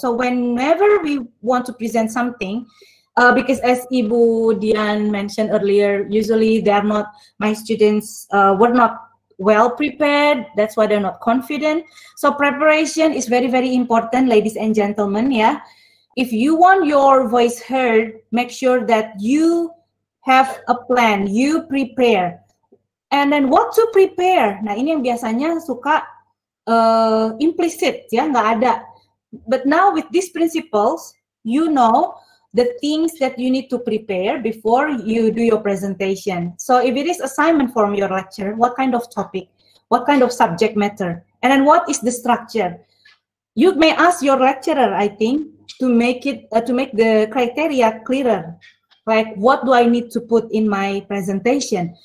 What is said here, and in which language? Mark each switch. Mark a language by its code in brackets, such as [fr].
[en] So whenever we want to present something, because as Ibu Dian mentioned earlier, usually they're not, my students were not well prepared, that's why they're not confident. So preparation is very, very important, ladies and gentlemen. If you want your voice heard, make sure that you have a plan, you prepare. And then what to prepare? [id] Nah, ini yang biasanya suka implicit, nggak ada. [en] But now with these principles, you know the things that you need to prepare before you do your presentation. So if it is assignment form your lecture, what kind of topic, what kind of subject matter? And then what is the structure? You may ask your lecturer, I think, to make it to make the criteria clearer, like what do I need to put in my presentation?